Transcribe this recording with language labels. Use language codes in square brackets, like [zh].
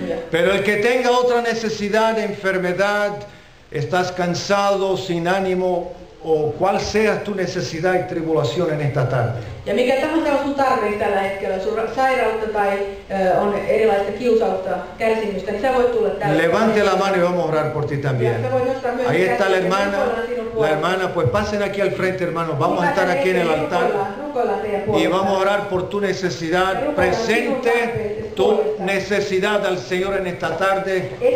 [es] Pero el que tenga otra necesidad, enfermedad, estás cansado, sin ánimo, o cual sea tu necesidad y tribulación en esta tarde. [fi] Ja mikä tahansa on sun tarve tällä hetkellä, sun sairautta tai on erilaista kiusautta, kärsimystä, niin sä voit tulla tällä. [es] Levante la mano y vamos a orar por ti también. Ahí está la hermana, la hermana, pues pasen aquí al frente, hermanos, vamos a estar aquí en el altar. Y vamos a orar por tu necesidad, presente tu necesidad al Señor en esta tarde.